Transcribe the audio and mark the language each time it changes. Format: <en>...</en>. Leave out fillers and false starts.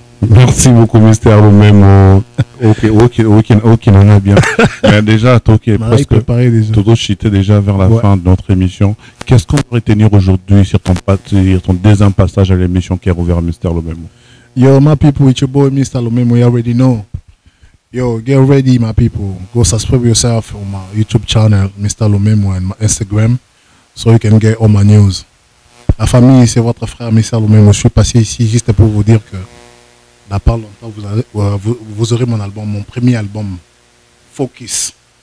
<fr>Merci beaucoup, Mister Romain. Ok, on est bien. Mais déjà, Toto chitait déjà vers la fin de notre émission. Qu'est-ce qu'on pourrait tenir aujourd'hui sur ton deuxième passage à l'émission qui est ouvert à Mister Romain?</fr> <en>Yo, my people, it's your boy, Mister Romain. You already know. Yo, get ready, my people. Go subscribe yourself on my YouTube channel, Mister Romain, and my Instagram, so you can get all my news.</en> <fr>La famille, c'est votre frère, Mister Romain. Je suis passé ici juste pour vous dire que. Dans pas longtemps, vous aurez mon album, mon premier album, Focus.</fr>